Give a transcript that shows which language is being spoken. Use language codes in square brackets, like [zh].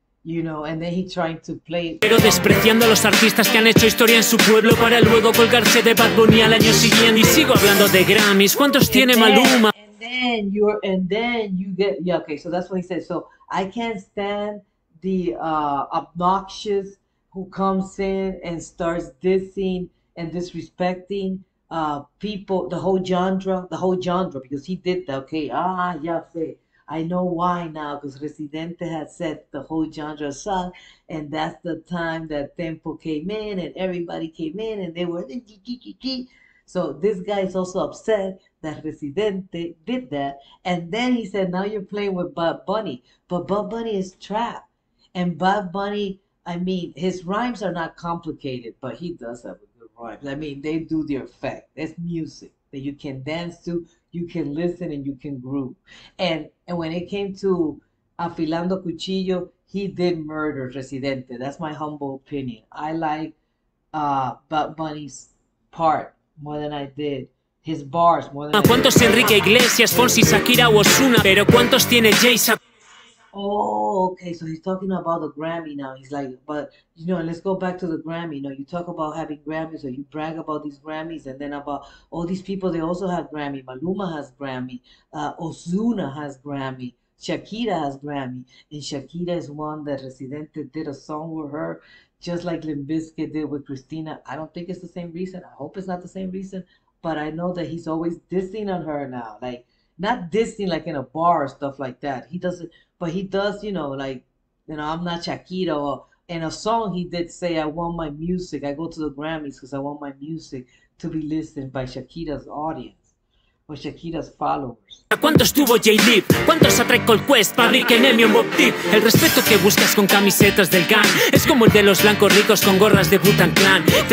[en] You know, and then he trying to play [es] Pero despreciando a los artistas que han hecho historia en su pueblo para luego colgarse de Bad Bunny al año siguiente. Y sigo hablando de Grammys. ¿Cuántos tiene Maluma? [en] and then you get yeah, okay, so that's what he said. So I can't stand the obnoxious who comes in and starts dissing and disrespecting people, the whole genre, because he did that, okay. Yeah, say. I know why now, because Residente had set the whole genre song, and that's the time that Tempo came in and everybody came in and they were G-g-g-g-g. So this guy is also upset that Residente did that. And then he said, now you're playing with Bad Bunny. But Bad Bunny is trap. And Bad Bunny, I mean, his rhymes are not complicated, but he does have a good rhyme. I mean, they do the effect. It's music that you can dance to. You can listen and you can groove. And when it came to Afilando Cuchillo, he did murder Residente. That's my humble opinion. I like Bad Bunny's part more than I did his bars more than I did. [es] ¿Cuántos Enrique Iglesias, Fonsi, Shakira, Ozuna? Pero ¿cuántos tiene Jay? [en] Oh, okay. So he's talking about the Grammy now. He's like, but you know, let's go back to the Grammy. You know, you talk about having Grammys, or you brag about these Grammys, and then about all these people. They also have Grammy. Maluma has Grammy. Ozuna has Grammy. Shakira has Grammy. And Shakira is one that Residente did a song with her, just like Limp Bizkit did with Christina. I don't think it's the same reason. I hope it's not the same reason. But I know that he's always dissing on her now. Like, not dissing like in a bar or stuff like that. He doesn't. But he does, you know, like, you know, I'm not Shakira. Or in a song, he did say, I want my music. I go to the Grammys because I want my music to be listened by Shakira's audience or Shakira's followers. [es] ¿Cuánto estuvo J-Lip? ¿Cuánto se atracó el Quest, Public Enemy o Mobb Deep? El respeto que buscas con camisetas del GAN es como el de los blancos ricos con gorras de Wu-Tang Clan.